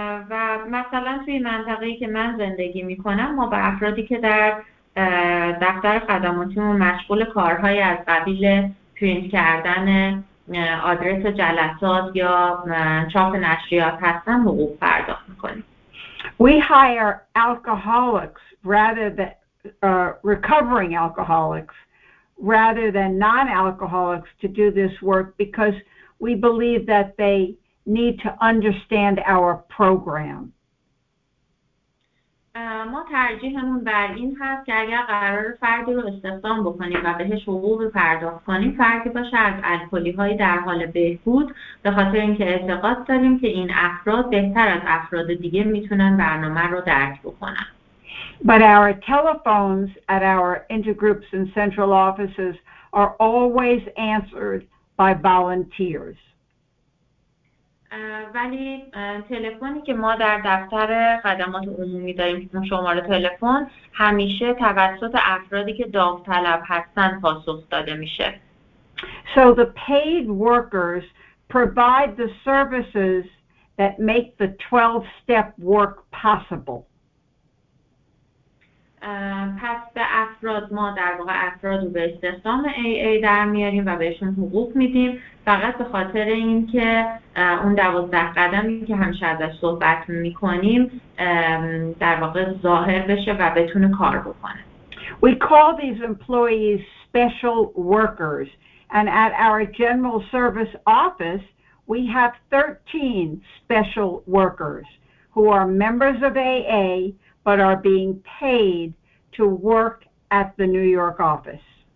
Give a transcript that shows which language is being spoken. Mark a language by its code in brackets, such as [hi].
[fa] و مثلا توی منطقه‌ای که من زندگی می‌کنم ما به افرادی که در دفتر خدماتیمون مشغول کارهای از قبیل پرینت کردن آدرس جلسات یا چاپ نشریات هستن حقوق پرداخت می‌کنیم. [en] We hire alcoholics rather than recovering alcoholics rather than non-alcoholics to do this work because we believe that they need to understand our program. [fa] ما ترجیحمون بر این هست که اگر قرار فردی رو استخدام بکنیم و بهش حقوق پرداخت کنیم، فردی باشه از الکلی‌های در حال بهبود، به خاطر اینکه اعتقاد داریم که این افراد بهتر از افراد دیگه میتونن برنامه رو درک بکنن. [en] But our telephones at our intergroups and central offices are always answered by volunteers. [fa] ولی تلفنی که ما در دفتر خدمات عمومی داریم شماره تلفن همیشه توسط افرادی که داوطلب هستن پاسخ داده میشه. [en] So the paid workers provide the services that make the 12-step work possible. [fa] پس به افراد ما در واقع افراد رو به استخدام AA در میاریم و بهشون حقوق میدیم فقط به خاطر اینکه اون 12 قدمی که همیشه ازش صحبت میکنیم در واقع ظاهر بشه و بتونه کار بکنه. [en] We call these employees special workers, and at our general service office, we have 13 special workers who are members of AA but are being paid to work at the New York office.